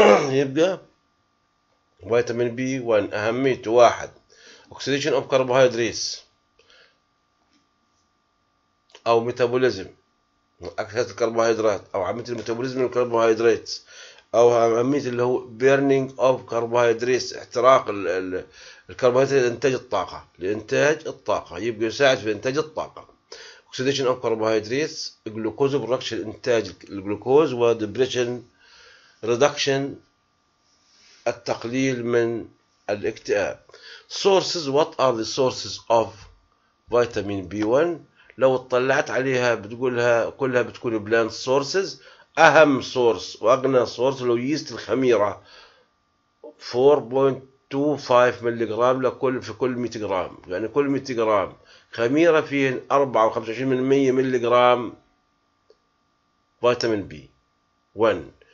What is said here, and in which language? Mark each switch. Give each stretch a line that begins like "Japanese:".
Arabic: يبقى فيتامين بي 1 اهميته، واحد
English: oxidation of carbohydrates او metabolism,
Arabic: اكسده الكربوهيدرات او عمليه الميتابوليزم للكربوهيدرات، او اهميه اللي هو
English: burning of carbohydrates,
Arabic: احتراق الكربوهيدرات لانتاج الطاقه، لانتاج الطاقه، يبقى يساعد في انتاج الطاقه.
English: oxidation of carbohydrates, glucose production,
Arabic: انتاج الجلوكوز،
English: ودبريشن ريدكشن،
Arabic: التقليل من الاكتئاب.
English: sources، what are the sources of vitamin B1؟
Arabic: لو اطلعت عليها بتقولها كلها بتكون بلاند
English: sources.
Arabic: اهم source واغنى source لو يست الخميرة 4.25 ملي جرام لكل في كل 100 جرام، يعني كل 100 جرام خميرة فيه 4.25 ملي جرام فيتامين بي 1.